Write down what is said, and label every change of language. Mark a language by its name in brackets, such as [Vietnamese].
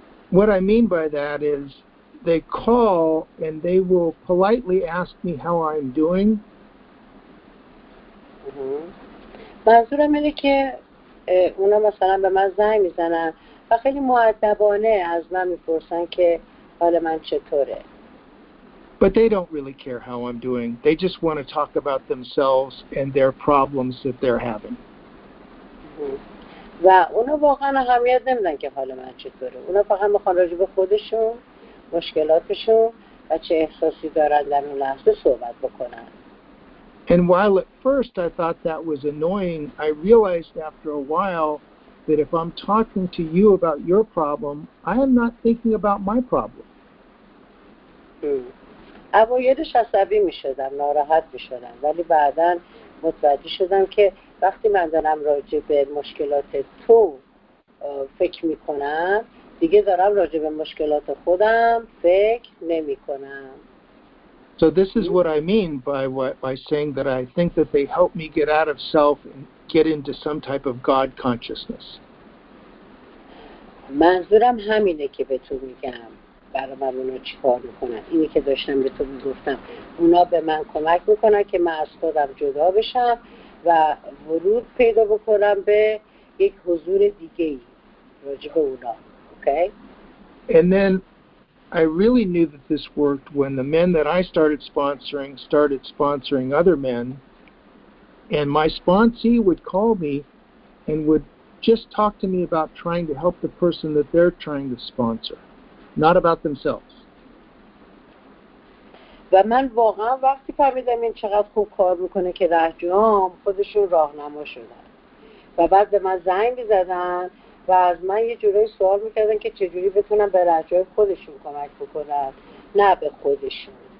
[English] What I mean by that is they call and they will politely ask me how I'm doing. [Persian] منظورم اینه که اونا مثلا به من زنگ میزنن و خیلی مؤدبانه از من میپرسن که حال من چطوره. [English] But they don't really care how I'm doing. They just want to talk about themselves and their problems that they're having. [Persian] و اونا واقعا اهمیت نمیدن که حال من چطوره. اونا فقط میخوان راجع به خودشون، مشکلاتشون و چه احساسی دارن در اون لحظه صحبت بکنن. [English] And while at first I thought that was annoying, I realized after a while that if I'm talking to you about your problem, I am not thinking about my problem. [Persian] اوایلش عصبی میشدم، ناراحت میشدم، ولی بعدا متوجه شدم که وقتی من دارم راجع به مشکلات تو فکر میکنم، دیگه دارم راجع به مشکلات خودم فکر نمیکنم. [English] So this is what I mean by saying that I think that they help me get out of self and get into some type of God consciousness. [Persian] منظورم همینه که به تو میگم برای من اونا چی کار میکنن. اینی که داشتم به تو میگفتم، اونا به من کمک میکنن که من از خودم جدا بشم و ورود پیدا بکنم به یک حضور دیگه ای راجع به اونا. [English] Okay? And then I really knew that this worked when the men that I started sponsoring other men, and my sponsee would call me and would just talk to me about trying to help the person that they're trying to sponsor, not about themselves. [Persian] و من واقعا وقتی فهمیدم این چقدر خوب کار میکنه که رهجوام خودشون راهنما شدن و بعد به من زنگ زدن و از من یه جورایی سوال میکردن که چجوری بتونم به رهجوی خودشون کمک بکنم نه به خودشون.